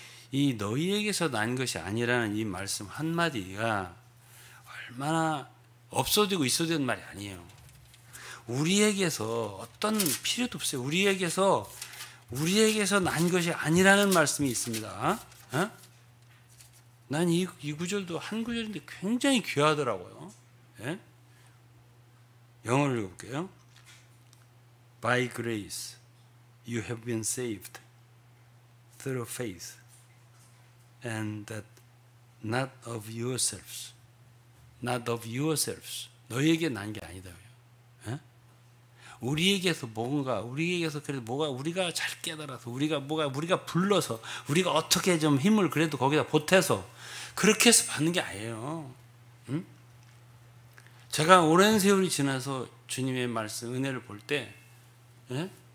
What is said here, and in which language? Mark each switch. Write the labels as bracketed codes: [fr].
[ko] 이 너희에게서 난 것이 아니라는 이 말씀 한마디가 얼마나 없어지고 있어야 되는 말이 아니에요. 우리에게서 어떤 필요도 없어요. 우리에게서 난 것이 아니라는 말씀이 있습니다. 난 이 구절도 한 구절인데 굉장히 귀하더라고요. 영어를 읽어볼게요. [en] By grace, you have been saved through faith, and that not of yourselves, not of yourselves. [ko] 너희에게 난 게 아니다. 예? 우리에게서 뭔가, 우리에게서 그래도 뭐가 우리가 잘 깨달아서, 우리가 불러서, 우리가 어떻게 좀 힘을 그래도 거기다 보태서 그렇게 해서 받는 게 아니에요. 제가 오랜 세월이 지나서 주님의 말씀 은혜를 볼 때. 예?